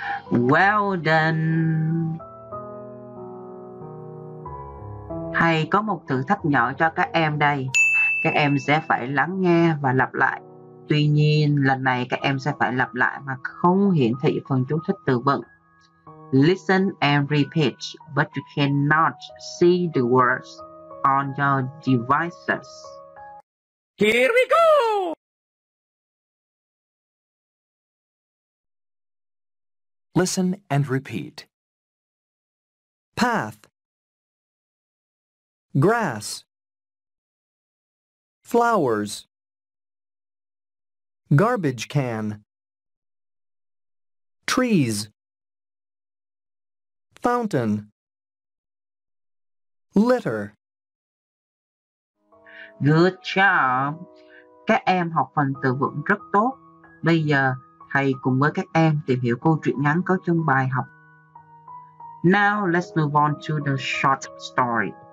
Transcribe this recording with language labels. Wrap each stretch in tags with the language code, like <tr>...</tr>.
<en>Well done.</en> <vi>Hay có một thử thách nhỏ cho các em đây. Các em sẽ phải lắng nghe và lặp lại. Tuy nhiên, lần này các em sẽ phải lặp lại mà không hiển thị phần chú thích từ vựng.</vi> <en>Listen and repeat, but you cannot see the words on your devices. Here we go! Listen and repeat. Path. Grass. Flowers. Garbage can. Trees. Fountain. Litter. Good job.</en> <vi>Các em học phần từ vựng rất tốt. Bây giờ thầy cùng với các em tìm hiểu câu chuyện ngắn có trong bài học.</vi> <en>Now let's move on to the short story.</en>